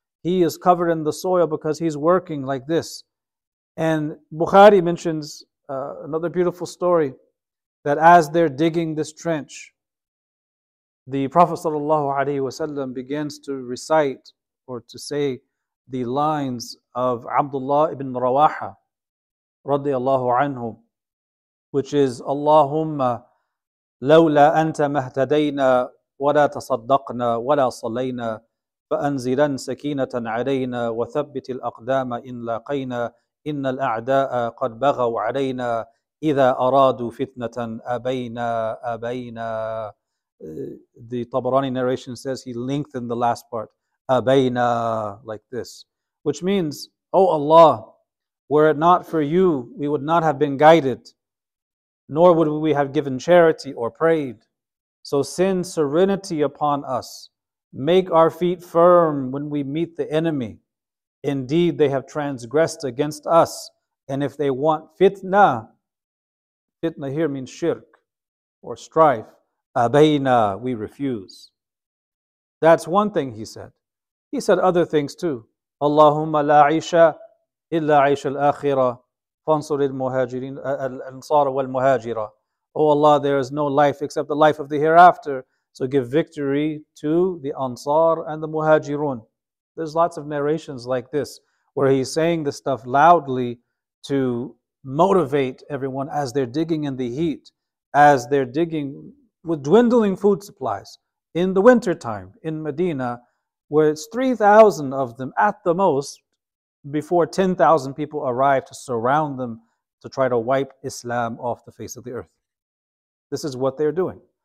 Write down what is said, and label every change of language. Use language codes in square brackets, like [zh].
[en] He is covered in the soil because he's working like this. And Bukhari mentions another beautiful story, that as they're digging this trench, the Prophet sallallahu alaihi wasallam begins to recite or to say the lines of Abdullah ibn Rawaha radiyallahu anhu, which is, [ar] Allahumma lawla anta mahtadayna wala tasaddaqna wala salayna فأنزلن سكينة علينا وثبت الأقدام إن لاقينا إن الأعداء قد بغوا علينا إذا أرادوا فتنة أبينا. [en] The Tabarani narration says he lengthened the last part, أبينا, like this, which means, O Allah, were it not for you, we would not have been guided, nor would we have given charity or prayed. So send serenity upon us. Make our feet firm when we meet the enemy. Indeed, they have transgressed against us. And if they want fitna, fitna here means shirk or strife, abayna, we refuse. That's one thing he said. He said other things too. [ar] Allahumma la aisha illa aisha al-akhirah. فانصر المهاجرين الأنصار والمهاجرة. [en] O Allah, there is no life except the life of the hereafter. So give victory to the Ansar and the Muhajirun. There's lots of narrations like this where he's saying this stuff loudly to motivate everyone as they're digging in the heat, as they're digging with dwindling food supplies in the winter time in Medina, where it's 3,000 of them at the most, before 10,000 people arrive to surround them to try to wipe Islam off the face of the earth. This is what they're doing.